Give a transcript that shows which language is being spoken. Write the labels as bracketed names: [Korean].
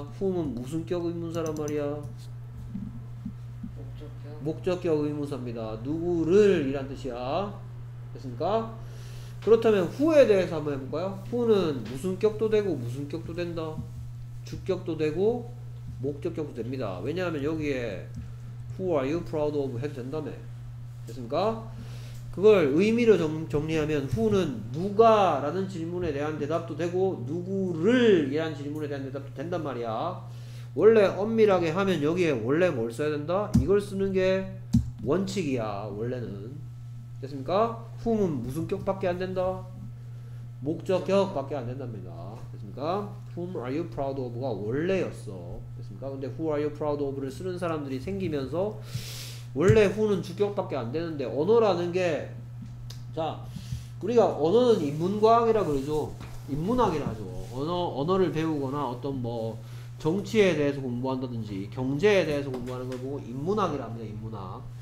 [Korean] whom은 무슨 격 의문사란 말이야? 목적격 의문사입니다. 누구를 이란 뜻이야. 됐습니까? 그렇다면 후에 대해서 한번 해볼까요? 후는 무슨 격도 되고 무슨 격도 된다. 주격도 되고 목적격도 됩니다. 왜냐하면 여기에 [English] Who are you proud of [Korean] 해도 된다며. 됐습니까? 그걸 의미로 정리하면 Who는 누가 라는 질문에 대한 대답도 되고 누구를 이란 질문에 대한 대답도 된단 말이야. 원래 엄밀하게 하면 여기에 원래 뭘 써야 된다? 이걸 쓰는 게 원칙이야 원래는. 됐습니까? Who는 무슨 격밖에 안 된다? 목적격밖에 안 된답니다. 됐습니까? [English] Whom are you proud of가 원래였어. [Korean] 됐습니까? 근데 [English] Who are you proud of를 [Korean] 쓰는 사람들이 생기면서 원래 Who는 주격밖에 안 되는데 언어라는 게 자 우리가 언어는 인문과학이라 그러죠. 인문학이라 하죠. 언어를 배우거나 어떤 뭐 정치에 대해서 공부한다든지 경제에 대해서 공부하는 걸 보고 인문학이라 합니다. 인문학.